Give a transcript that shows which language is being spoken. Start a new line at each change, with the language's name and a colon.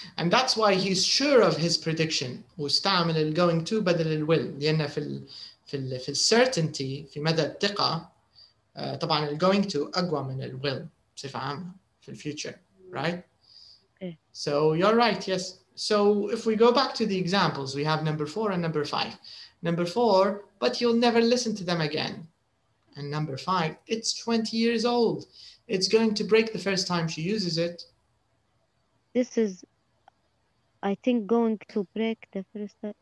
English: And that's why he's sure of his prediction.
Arabic: واستعمل ال going to بدل ال will. لأن في ال certainty في مدى الثقة طبعا ال going to أقوى من ال will بصفة عامة في ال future.
English: Right? Okay. So you're right, yes. So if we go back to the examples, we have number four and number five. Number four, but you'll never listen to them again. And number five, it's 20 years old. It's going to break the first time she uses it. This is, I think, going to break the first time.